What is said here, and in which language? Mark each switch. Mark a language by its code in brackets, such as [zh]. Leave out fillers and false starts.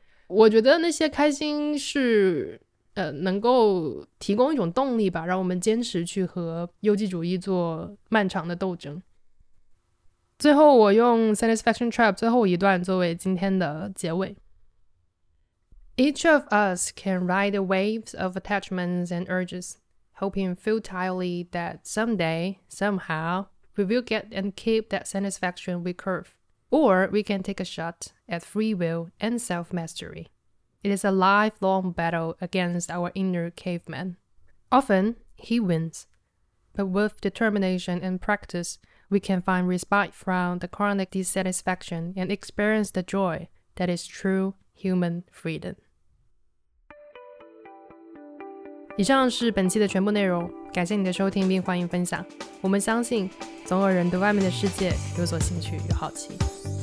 [zh] 我觉得那些开心是能够提供一种动力吧，让我们坚持去和优绩主义做漫长的斗争。最后我用 Satisfaction Trap 最后一段作为今天的结尾。 [en] Each of us can ride the waves of attachments and urges, hoping futilely that someday, somehow, we will get and keep that satisfaction we crave. Or we can take a shot at free will and self-mastery. It is a lifelong battle against our inner caveman. Often, he wins. But with determination and practice,We can find respite from the chronic dissatisfaction and experience the joy that is true human freedom. [zh] 以上是本期的全部内容，感谢你的收听并欢迎分享。我们相信总有人对外面的世界有所兴趣与好奇。